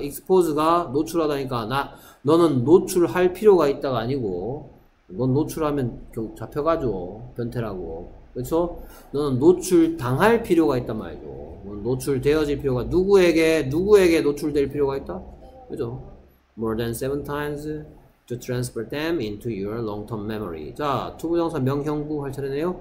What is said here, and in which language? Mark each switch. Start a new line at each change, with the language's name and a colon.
Korean: Expose가 노출하다니까 너는 노출할 필요가 있다가 아니고 넌 노출하면 잡혀가죠. 변태라고. 그렇죠? 너는 노출 당할 필요가 있단 말이죠. 너는 노출되어질 필요가 누구에게 노출될 필요가 있다? 그렇죠?
English: More than seven times to transfer them into your long-term memory.
Korean: 자, 투부정사 명형부 할 차례네요.